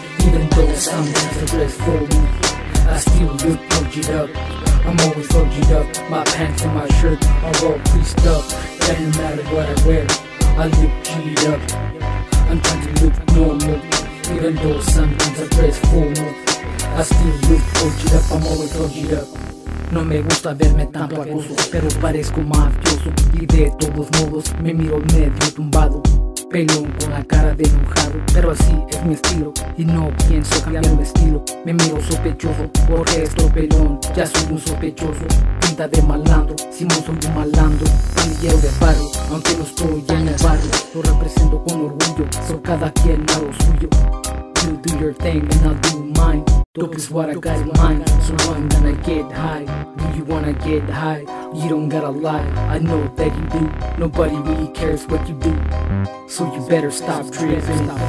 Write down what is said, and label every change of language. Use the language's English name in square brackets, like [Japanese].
[English] Even though sometimes I dress formal, I still look gucci'd up. I'm always gucci'd up. My pants and my shirt are all creased up. Doesn't matter what I wear, I look gucci'd up. I'm trying to look normal. Even though sometimes I dress formal, I still look gucci'd up. I'm always gucci'd up. [Spanish] No me gusta verme tan pacoso, pero parezco mafioso. Y de todos modos me miro medio tumbado, pelón con la cara de enojado. Pero así es mi estilo y no pienso cambiar mi estilo. Me miro sospechoso porque estoy pelón, ya soy un sospechoso. Pinta de malandro, si no soy un malandro. Pandillero de barrio, aunque no estoy en el barrio, lo represento con orgullo, soy cada quien a lo suyo. [English] You do your thing and I'll do mine. Dope is what I got in mind. So I'm gonna get high. Do you wanna get high? You don't gotta lie. I know that you do. Nobody really cares what you do. So you better stop tripping.